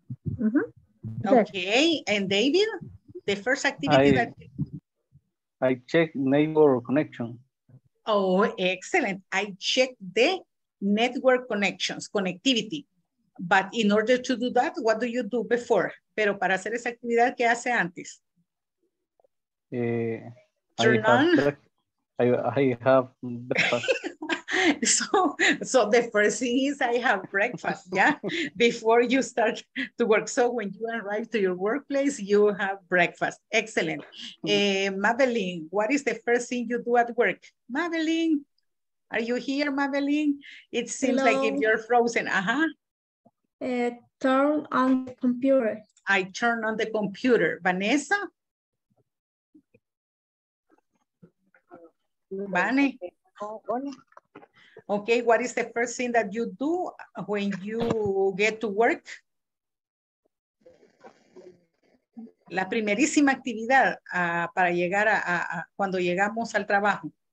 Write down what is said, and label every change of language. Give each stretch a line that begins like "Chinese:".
English: Mm-hmm. Okay, yes. And David? The first activity I check neighbor connection. Oh, excellent. I check the network connections, connectivity. But in order to do that, what do you do before?
Spanish: Pero para hacer esa actividad, ¿qué hace antes?
English: Turn on? I have breakfast. So the first thing is I have breakfast, yeah? Before you start to work. So when you arrive to your workplace, you have breakfast. Excellent. Mabelin, what is the first thing you do at work? Mabelin, are you here, Mabelin? It seems Hello. Like if you're frozen. Uh-huh. Turn on the computer. I turn on the computer. Vanessa? Vane? Okay, what is the first thing that you do when you get to work?
Spanish: La primerísima actividad para llegar a cuando llegamos al trabajo.